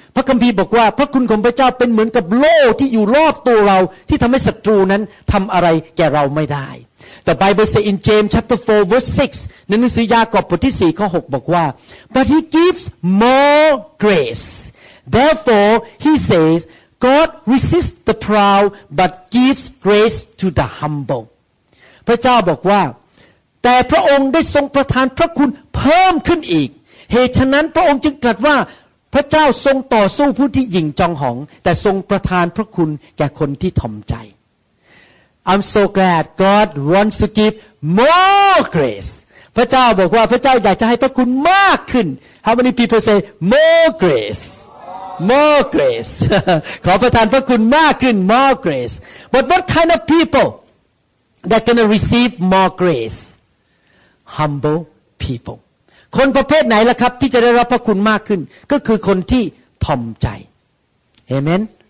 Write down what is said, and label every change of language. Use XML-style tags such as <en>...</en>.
<th>พระคัมภีร์บอกว่าพระคุณของพระเจ้าเป็นเหมือนกับโล่ที่อยู่รอบตัวเราที่ทำให้ศัตรูนั้นทำอะไรแก่เราไม่ได้</th> <en>The Bible says in James chapter 4 verse 6</en> <th>ในหนังสือยากอบบทที่4ข้อ6บอกว่า</th> <en>But he gives more grace. Therefore he says, God resists the proud but gives grace to the humble.</en> <th>พระเจ้าบอกว่าแต่พระองค์ได้ทรงประทานพระคุณเพิ่มขึ้นอีกเหตุฉะนั้นพระองค์จึงตรัสว่าพระเจ้าทรงต่อสู้ผู้ที่หยิ่งจองหองแต่ทรงประทานพระคุณแก่คนที่ถ่อมใจ</th> <en>I'm so glad God wants to give more grace</en> <th>พระเจ้าบอกว่าพระเจ้าอยากจะให้พระคุณมากขึ้น</th> <en>How many people say more grace more grace</en> <th>ขอประทานพระคุณมากขึ้น</th> <en>more grace but what kind of people that gonna receive more grace humble people</en> <th>คนประเภทไหนล่ะครับที่จะได้รับพระคุณมากขึ้นก็คือคนที่ถ่อมใจเอเมน</th>